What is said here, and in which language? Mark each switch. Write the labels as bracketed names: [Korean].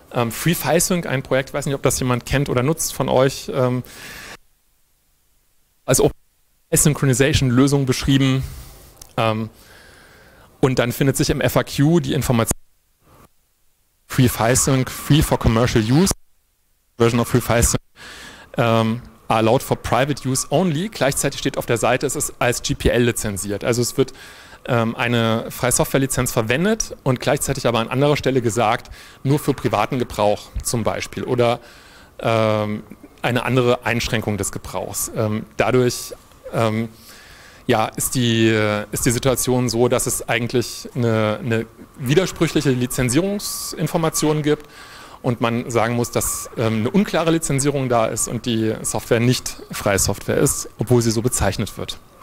[German] Free FileSync, ein Projekt, weiß nicht, ob das jemand kennt oder nutzt von euch, als Asynchronization-Lösung beschrieben. Und dann findet sich im FAQ die Information Free File Sync, [English] free for commercial use. Version of Free File Sync allowed for private use only. [German] Gleichzeitig steht auf der Seite, es ist als GPL lizenziert. Also es wird eine freie Software-Lizenz verwendet und gleichzeitig aber an anderer Stelle gesagt, nur für privaten Gebrauch zum Beispiel oder eine andere Einschränkung des Gebrauchs. Dadurch ist die Situation so, dass es eigentlich eine widersprüchliche Lizenzierungsinformation gibt und man sagen muss, dass eine unklare Lizenzierung da ist und die Software nicht freie Software ist, obwohl sie so bezeichnet wird.